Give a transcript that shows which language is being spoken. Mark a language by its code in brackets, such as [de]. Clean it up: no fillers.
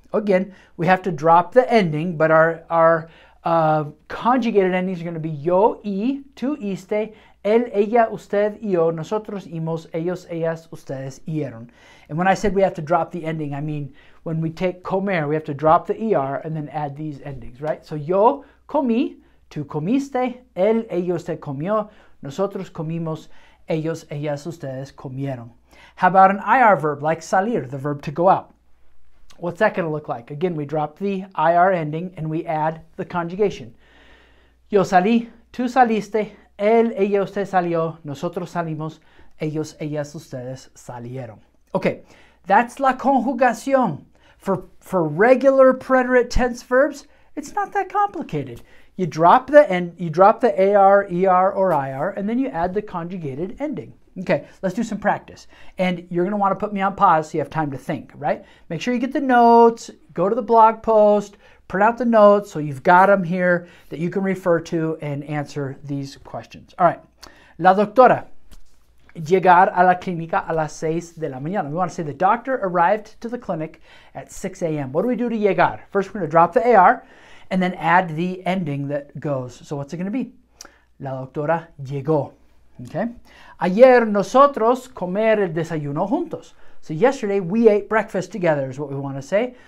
[en] Again, we have to drop the ending, but our conjugated endings are going to be yo, I, tú, iste, él, ella, usted, yo, nosotros, imos, ellos, ellas, ustedes, ieron. And when I said we have to drop the ending, I mean when we take comer, we have to drop the ER and then add these endings, right? [es] So yo comí, tú comiste, él, ella, usted comió, nosotros comimos, ellos, ellas, ustedes comieron. [en] How about an IR verb like salir, the verb to go out? What's that going to look like? Again, we drop the IR ending and we add the conjugation. [es] Yo salí, tú saliste, él, ella, usted salió, nosotros salimos, ellos, ellas, ustedes salieron. [en] Okay, that's [es] la conjugación. [en] For regular preterite tense verbs, it's not that complicated. You drop the end, you drop the AR, ER, or IR, and then you add the conjugated ending. Okay, let's do some practice. And you're going to want to put me on pause so you have time to think, right? Make sure you get the notes, go to the blog post, print out the notes so you've got them here that you can refer to and answer these questions. All right. [es] La doctora. Llegar a la clínica a las 6 de la mañana. [en] We want to say the doctor arrived to the clinic at 6 a.m. What do we do to llegar? First, we're going to drop the AR and then add the ending that goes. So what's it going to be? [es] La doctora llegó. [en] Okay. [es] Ayer nosotros comer el desayuno juntos. [en] So yesterday we ate breakfast together is what we want to say.